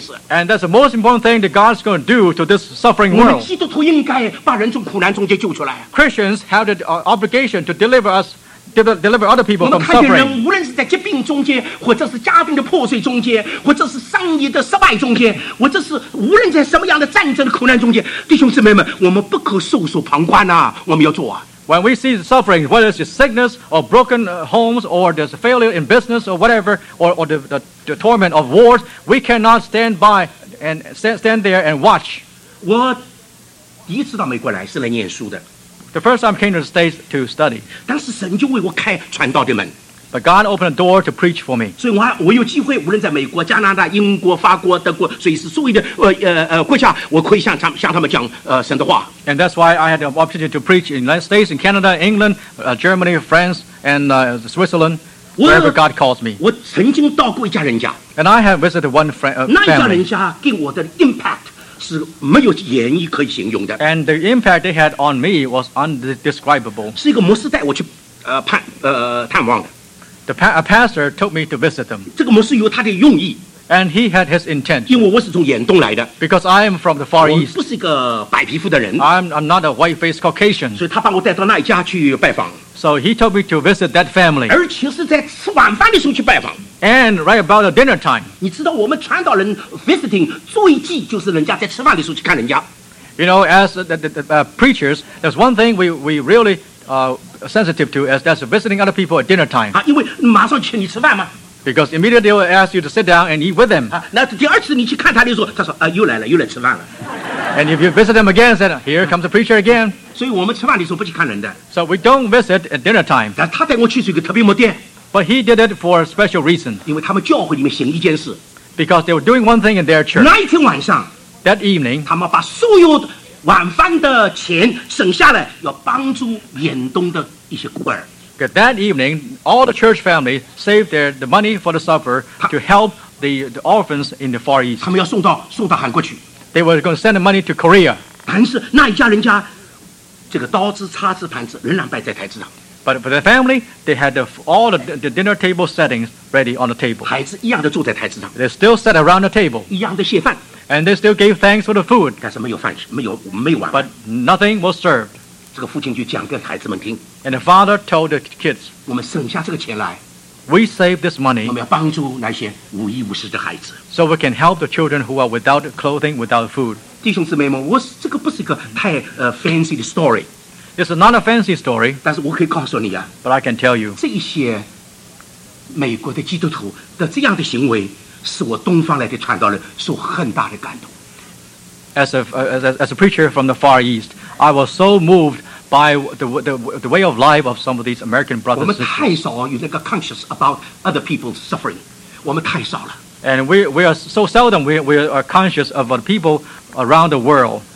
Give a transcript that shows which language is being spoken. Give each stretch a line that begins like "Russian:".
English: And that's the most important thing that God's going to do to this suffering world. Christians have the obligation to deliver other people from suffering.
Chinese: 无论是在疾病中间，或者是家庭的破碎中间，或者是商业的失败中间，或者是无论在什么样的战争的苦难中间，弟兄姊妹们，我们不可袖手旁观啊！我们要做啊！
English: When we see the suffering, whether it's sickness or broken homes or there's a failure in business or whatever, or the torment of wars, we cannot stand by and stand there and watch.
Chinese: 我第一次到美国来是来念书的。
English: The first time I came to the States to study.
Chinese: 当时神就为我开传道的门。
English: But God opened a door to preach for me.
Chinese: 所以我有机会，无论在美国、加拿大、英国、法国、德国，所以是所有的国家，我可以向他们讲神的话。
English: And that's why I had the opportunity to preach in the United States, in Canada, England, Germany, France, and Switzerland, wherever God calls me.
Chinese: 我曾经到过一家人家。
English: And I have visited one friend.
Chinese: 那一家人家给我的 impact 是没有言语可以形容的。
English: And the impact they had on me was indescribable.
Chinese: 是一个牧师带我去探望的。
English: A pastor told me to visit them.
Chinese: 这个牧师有他的用意。
English: And he had his intent.
Chinese: 因为我是从远东来的。
English: Because I am from the Far East.
Chinese: 我不是一个白皮肤的人。
English: I'm not a white-faced Caucasian.
Chinese: 所以他把我带到那一家去拜访。
English: So he told me to visit that family.
Chinese: 而且是在吃晚饭的时候去拜访。
English: And right about the dinner time.
Chinese: 你知道我们传道人 visiting 最忌就是人家在吃饭的时候去看人家。
English: You know, as the preachers, there's one thing we really... sensitive to as that's visiting other people at dinner time.
Chinese: 因为马上请你吃饭嘛。
English: Because immediately they will ask you to sit down and eat with them.
Chinese: 那第二次你去看他的时候，他说啊，又来了，又来吃饭了。
English: And if you visit them again, said here comes the preacher again.
Chinese: 所以我们吃饭的时候不去看人的。
English: So we don't visit at dinner time.
Chinese: 但他带我去是一个特别目的。
English: But he did it for a special reason.
Chinese: 因为他们教会里面行一件事。
English: Because they were doing one thing in their church.
Chinese: 那一天晚上。
English: That evening.
Chinese: 他们把所有的晚饭的钱省下来，要帮助远东的一些孤儿。
English: Good. That evening, all the church family saved the money for the supper to help the orphans in the Far East.
Chinese: 他们要送到韩国去。
English: They were going to send the money to Korea.
Chinese: 但是那一家人家，这个刀子、叉子、盘子仍然摆在台子上。
English: But for the family, they had all the dinner table settings ready on the table.
Chinese: 孩子一样的坐在台子上。
English: They still sat around the table.
Chinese: 一样的谢饭。
English: And they still gave thanks for the food.
Chinese: 但是没有饭吃，没有碗。
English: But nothing was served.
Chinese: 这个父亲就讲给孩子们听。
English: And the father told the kids.
Chinese: 我们省下这个钱来。
English: We saved this money.
Chinese: 我们要帮助那些无衣无食的孩子。
English: So we can help the children who are without clothing, without food.
Chinese: 弟兄姊妹们，这个不是一个太fancy 的 story.
English: This is not a fancy story.
Chinese: 但是我可以告诉你啊。
English: But I can tell you.
Chinese: 这一些美国的基督徒的这样的行为。使我东方来的传道人受很大的感动。
English: As a preacher from the Far East, I was so moved by the way of life of some of these American brothers.
Chinese: 我们太少有那个
English: conscious about other people's suffering.
Chinese: 我们太少了。
English: And we are so seldom we are conscious of the people around the world.